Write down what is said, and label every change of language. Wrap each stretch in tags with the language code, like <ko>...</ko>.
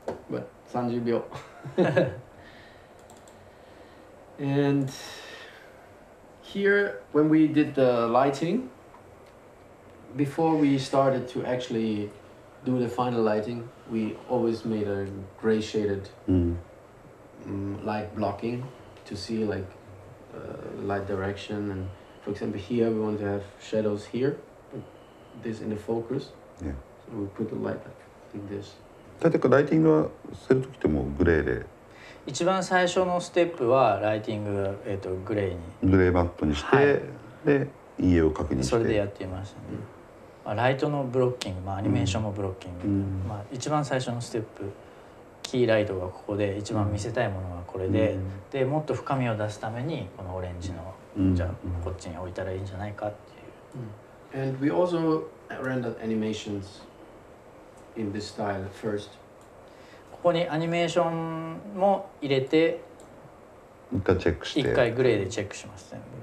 <en>But</en> <ja>30秒</ja> <en>andHere, when we did the lighting, before we started to actually do the final lighting, we always made a gray shaded light blocking to see like light direction. And for example, here we want to have shadows here, put this in the focus. Yeah. So we put the light up like this.</en> <ja>だってライティングはする時でもグレーで。一番最初のステップはライティング、グレーにグレーマットにして、はい、で陰影を確認してそれでやってみましたね、まあ、ライトのブロッキング、まあ、アニメーションもブロッキング、まあ、一番最初のステップキーライトがここで一番見せたいものがこれ で、でもっと深みを出すためにこのオレンジのじゃあこっちに置いたらいいんじゃないかっていう、</ja> <en>And we also rendered animations in this style first</en> <ja>ここにアニメーションも入れて一回チェックして一回グレーでチェックしますね。</ja>